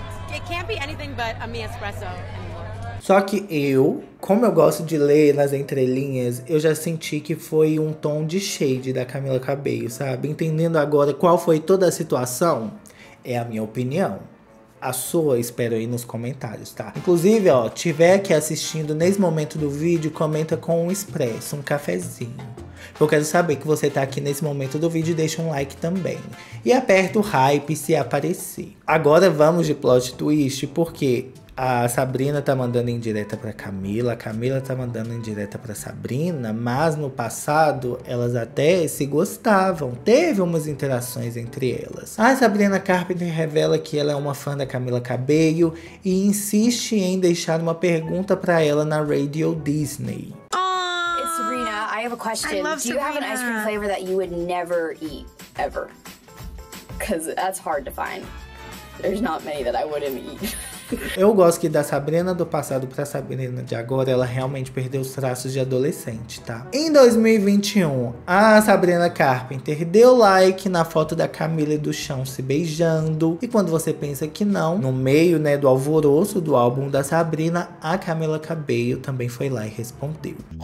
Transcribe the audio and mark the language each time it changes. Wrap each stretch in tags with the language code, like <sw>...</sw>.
<en>It can't be anything but a mi espresso.</en> <pt>Só que eu, como eu gosto de ler nas entrelinhas, eu já senti que foi um tom de shade da Camila Cabello, sabe? Entendendo agora qual foi toda a situação, é a minha opinião. A sua, espero aí nos comentários, tá? Inclusive, ó, tiver aqui assistindo nesse momento do vídeo, comenta com um expresso, um cafezinho. Eu quero saber que você tá aqui nesse momento do vídeo, deixa um like também. E aperta o hype se aparecer. Agora vamos de plot twist, porque a Sabrina tá mandando indireta pra Camila, a Camila tá mandando indireta pra Sabrina, mas no passado elas até se gostavam, teve umas interações entre elas. A Sabrina Carpenter revela que ela é uma fã da Camila Cabello e insiste em deixar uma pergunta pra ela na Radio Disney.</pt> <en>É Sabrina, I have a question. I love Do you Sabrina. Have an ice cream flavor that you would never eat ever? Because that's hard to find. There's not many that I wouldn't eat.</en> <pt>Eu gosto que da Sabrina do passado pra Sabrina de agora, ela realmente perdeu os traços de adolescente, tá? Em 2021, a Sabrina Carpenter deu like na foto da Camila e do Shawn se beijando. E quando você pensa que não, no meio, né, do alvoroço do álbum da Sabrina, a Camila Cabello também foi lá e respondeu.</pt>